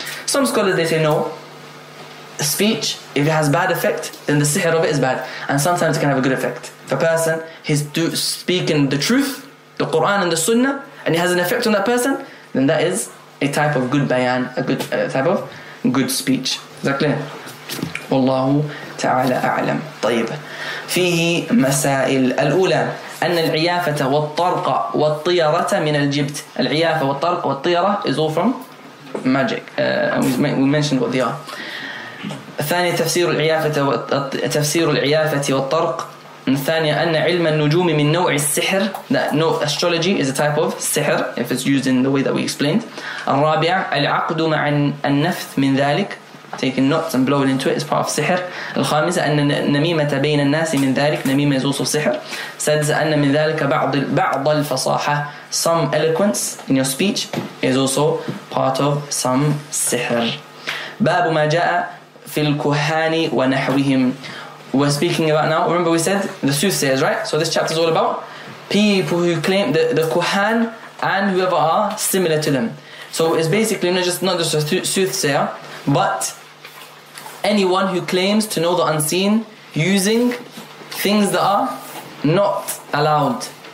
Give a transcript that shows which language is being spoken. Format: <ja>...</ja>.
<en>Some scholars, they say no. A speech, if it has bad effect, then the sihr of it is bad. And sometimes it can have a good effect. If a person, he's speaking the truth, the Quran and the Sunnah, and he has an effect on that person, then that is a type of good bayan, a type of good speech. Is that clear? Wallahu ta'ala a'lam. طيب.</en> <ar>فيه مسائل الأولى أن العيافة والطرق والطيرة من الجبت. العيافة والطرق والطيرة</ar> <en>is all from magic. We mentioned what they are.</en> <ar>الثانية تفسير العيافة والطرق. الثانية أن علم النجوم من نوع السحر.</ar> <en>No, astrology is a type of سحر if it's used in the way that we explained.</en> <ar>الرابع العقد مع النفث من ذلك.</ar> <en>Taking knots and blowing into it is part of سحر.</en> <ar>الخامسة أن النميمة بين الناس من ذلك. نميمة is also سحر. سادسة أن من ذلك بعض الفصاحة.</ar> <en>Some eloquence in your speech is also part of some سحر.</en> <ar>باب ما جاء في الكهان ونحوهم.</ar> <en>We're speaking about now. Remember, we said the soothsayers, right? So this chapter is all about people who claim the Quran and whoever are similar to them. So it's basically not just a soothsayer, but anyone who claims to know the unseen using things that are not allowed.</en>